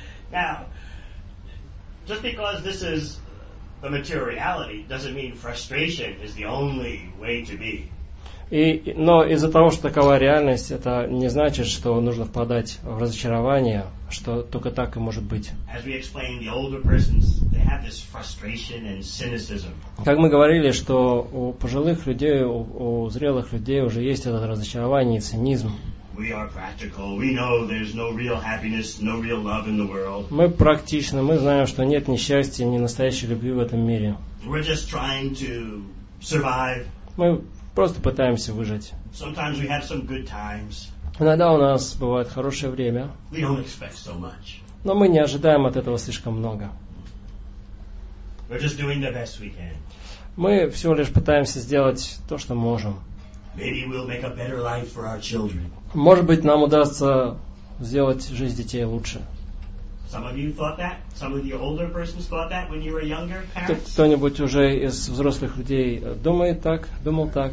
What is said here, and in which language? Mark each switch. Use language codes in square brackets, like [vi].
[en] Now, just because this is the materiality doesn't mean frustration is the only way to be. [ru] Но из-за того, что такова реальность, это не значит, что нужно впадать в разочарование, что только так и может быть. [en] As we explained, the older persons, they have this frustration and cynicism. [ru] Как мы говорили, что у пожилых людей, у зрелых людей уже есть это разочарование и цинизм. [en] We are practical. We know there's no real happiness, no real love in the world. [ru] Мы практичны. Мы знаем, что нет ни счастья, ни настоящей любви в этом мире. [en] We're just trying to survive. [ru] Мы просто пытаемся выжить. [en] Sometimes we have some good times. [ru] Иногда у нас бывает хорошее время. [en] We don't expect so much. [ru] Но мы не ожидаем от этого слишком много. [en] We're just doing the best we can. [ru] Мы всего лишь пытаемся сделать то, что можем. [en] Maybe we'll make a better life for our children. [ru] Может быть, нам удастся сделать жизнь детей лучше. [en] Some of you thought that? Some of the older persons thought that when you were younger parents? [ru] Кто-нибудь уже из взрослых людей думает так, думал так?